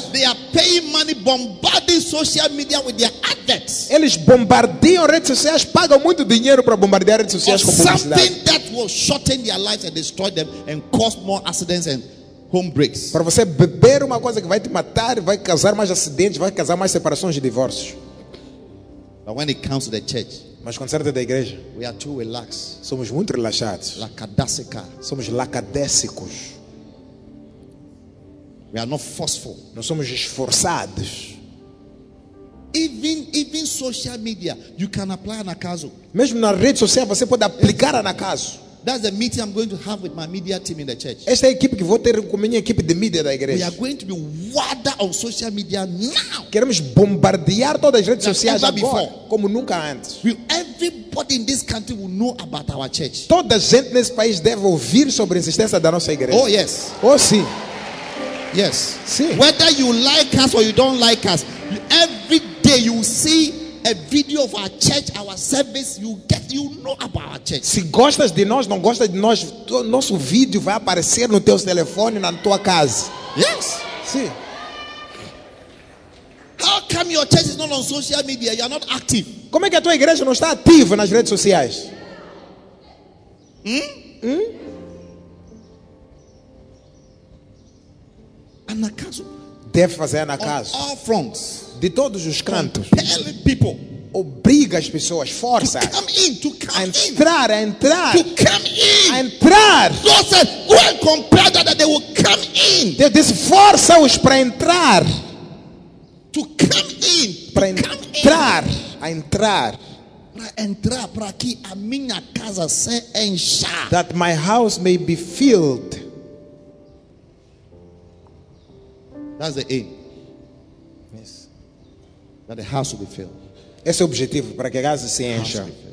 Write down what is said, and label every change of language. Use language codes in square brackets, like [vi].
[en] They are paying money, bombarding social media with their adverts. [pt] Eles bombardeiam redes sociais, pagam muito dinheiro para bombardear redes sociais com publicidade. [en] Something that will shorten their lives and destroy them and cause more accidents and home breaks. [pt] Para você beber uma coisa que vai te matar, vai causar mais acidentes, vai causar mais separações e divórcios. [en] But when it comes to the church. [pt] Mas quando se trata da igreja, [en] we are too relaxed. [pt] Somos muito relaxados. Lacadásica. Somos lacadésicos. [en] We are not forceful. [pt] Não somos esforçados. [en] Even social media, you can apply an acaso. [pt] Mesmo na rede social você pode aplicar an acaso. [en] That's the meeting I'm going to have with my media team in the church. [pt] Esta é a equipe que vou ter com a minha equipe de mídia da igreja. [en] We are going to be water on social media now. [pt] Queremos bombardear todas as redes sociais agora, como nunca antes. [en] Everybody in this country will know about our church. [pt] Toda gente nesse país deve ouvir sobre a existência da nossa igreja. [en] Oh yes. [pt] Oh sim. [en] Yes. [pt] Sim. [en] Whether you like us or you don't like us, every day you see a video of our church, our service, you know about our church. [pt] Se gostas de nós, não gostas de nós, nosso vídeo vai aparecer no teu telefone, na tua casa. [en] Yes. [pt] Sim. [en] How come your church is not on social media? You are not active. [pt] Como é que a tua igreja não está ativa nas redes sociais? Anacaso. Deve fazer anacaso. [en] On all fronts. [pt] De todos os cantos. [en] Compel people. [pt] Obriga as pessoas, força. [en] To come in, to come [pt] a entrar, [en] in. [pt] A entrar. [en] To come in. [pt] A entrar. [en] Forces, go and compel that they will come in. [pt] Deus disse, força-os para entrar. [en] To come in. [pt] Para entrar. In. A entrar. Para entrar, para que a minha casa se encha. [en] That my house may be filled. That's the aim. Yes. That the house will be filled. [pt] Esse é o objetivo, para que a casa se encha.